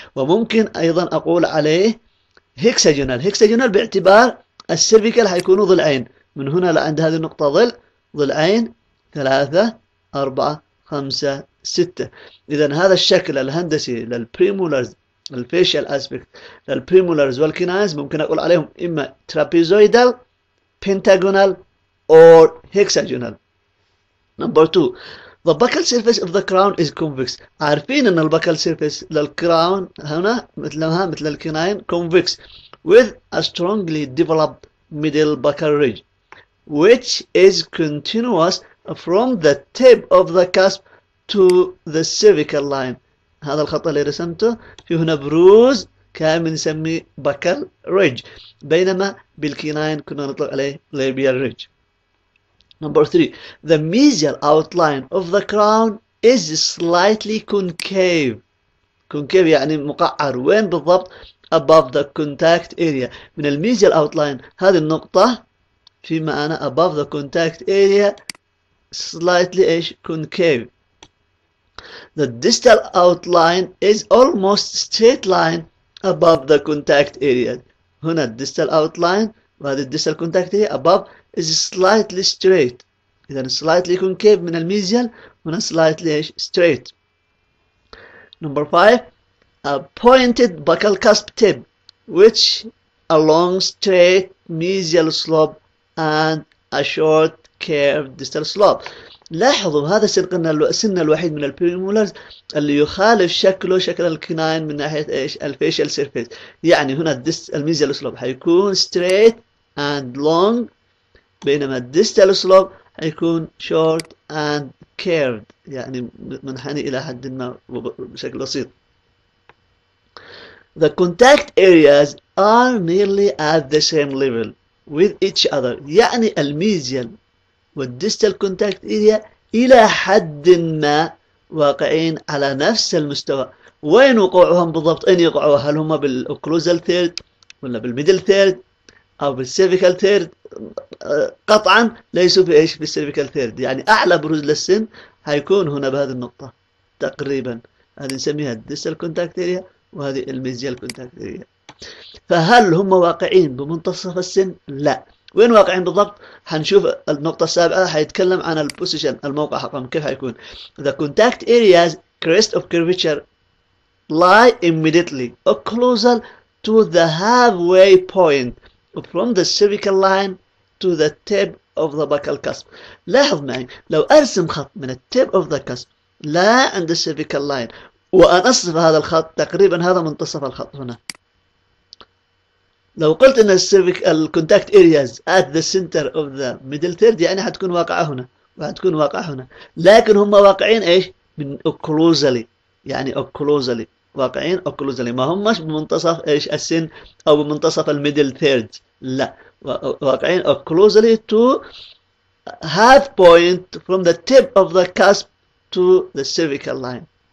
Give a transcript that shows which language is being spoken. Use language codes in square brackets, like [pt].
[ar] وممكن ايضا اقول عليه هيكساجونال، هيكساجونال باعتبار السيرفيكال هيكون ضلعين، من هنا لعند هذه النقطة ضلع، ضلعين، ثلاثة، أربعة، خمسة، ستة. إذا هذا الشكل الهندسي للبريمولرز، الفيشال اسبكت للبريمولرز والكينايز، ممكن أقول عليهم إما ترابيزويدال، بنتاغونال، أو هيكساجونال. نمبر 2، [en] the buccal surface of the crown is convex. [ar] عارفين أن ال [en] buccal surface [ar] للكراون هنا مثلها مثل الكيناين [en] convex with a strongly developed middle buccal ridge which is continuous from the tip of the cusp to the cervical line. [ar] هذا الخط اللي رسمته في هنا بروز كان بنسميه باكل ريدج، بينما بالكيناين كنا نطلق عليه ليبيال ريدج. نمبر 3، [en] the mesial outline of the crown is slightly concave. concave [ar] يعني مقعر، وين بالضبط؟ [en] above the contact area. [ar] من الميزيال outline هذه النقطة في معنى [en] above the contact area slightly [ar] ايش concave. [en] The distal outline is almost straight line above the contact area. [ar] هنا ال [en] distal outline [ar] وهذه ال [en] distal contact area above is slightly straight. [ar] إذا [en] slightly concave [ar] من الميزيال، هنا slightly ايش straight. [en] Number 5, a pointed buccal cusp tip which a long straight mesial slope and a short curved distal slope. [ar] لاحظوا هذا سن الوحيد من البريمولرز اللي يخالف شكله شكل الكناين من ناحية ايش الفيشل سيرفيس. يعني هنا الميزيال سلوب حيكون ستريت اند لونج، بينما الديستال سلوب حيكون شورت اند كيرد، يعني منحني الى حد ما بشكل بسيط. [en] The contact areas are nearly at the same level with each other. [ar] يعني الميزيال والديستال كونتاكت اريا الى حد ما واقعين على نفس المستوى. وين وقوعهم بالضبط؟ اين يقعوا؟ هل هما بالاوكلوزال ثيرد ولا بالميدل ثيرد او بالسيرفيكال ثيرد؟ قطعا ليسوا في ايش في السيرفيكال ثيرد، يعني اعلى بروز للسن هيكون هنا بهذه النقطه تقريبا. هذه نسميها الديستال كونتاكت اريا وهذه الميزيال كونتاكت اريا. فهل هم واقعين بمنتصف السن؟ لا. وين واقعين بالضبط؟ حنشوف النقطة السابعة، حيتكلم عن البوزيشن، الموقع حقهم كيف حيكون. [en] The contact areas crest of curvature lie immediately or closer to the halfway point from the cervical line to the tip of the buccal cusp. [ar] لاحظ معي، لو أرسم خط من ال [en] tip of the cusp [ar] لا عند ال [en] cervical line [ar] وأن أصف هذا الخط، تقريبا هذا منتصف الخط هنا. لو قلت ان ال [en] contact areas at the center of the middle third [ar] يعني حتكون واقعه هنا وحتكون واقعه هنا، لكن هم واقعين ايش؟ من occlusally، يعني occlusally واقعين occlusally، ما هماش بمنتصف ايش السن او بمنتصف الميدل ثيرد، لا واقعين [en] occlusally to half point from the tip of the cusp to the cervical line.